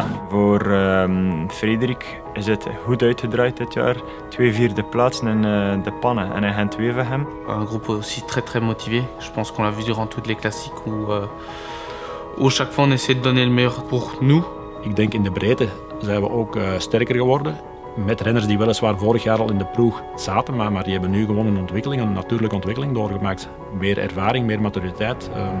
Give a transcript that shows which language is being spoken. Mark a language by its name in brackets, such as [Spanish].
[Dutch] Voor Frederik is het goed uitgedraaid dit jaar. Twee vierde plaatsen in de pannen en een Gent weer van hem. Een groep [French] aussi très très motivé. Je pense qu'on l'a vu durant toutes les classiques où, où chaque fois on essaie de donner le meilleur pour nous. [Dutch] Ik denk in de breedte zijn we ook sterker geworden. Met renners die weliswaar vorig jaar al in de ploeg zaten, maar die hebben nu gewoon een ontwikkeling, een natuurlijke ontwikkeling doorgemaakt. Meer ervaring, meer maturiteit.